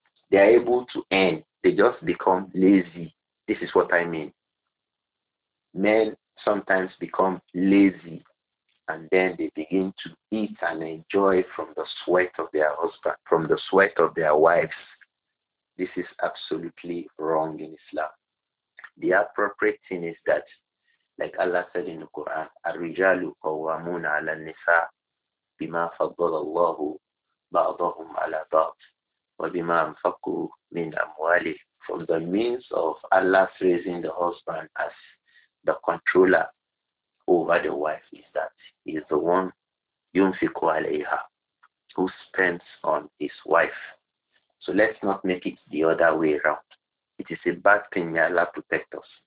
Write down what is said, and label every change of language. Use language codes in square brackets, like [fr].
[en] They are able to earn. They just become lazy. This is what I mean. Men sometimes become lazy, and then they begin to eat and enjoy from the sweat of their husband, from the sweat of their wives. This is absolutely wrong in Islam. The appropriate thing is that, like Allah said in the Quran, [ar] الرِّجَالُ قَوَّامُونَ عَلَى النِّسَاءِ بِمَا فَضَّلَ اللَّهُ بَعْضَهُمْ عَلَى بَعْضٍ وَبِمَا أَنْفَقُوا مِنْ أَمْوَالِهِمْ. [en] From the means of Allah raising the husband as the controller over the wife is that he is the one, [ar] يُنْفِقُ عَلَيْهَا, [en] who spends on his wife. So let's not make it the other way around. It is a bad thing. May Allah protect us.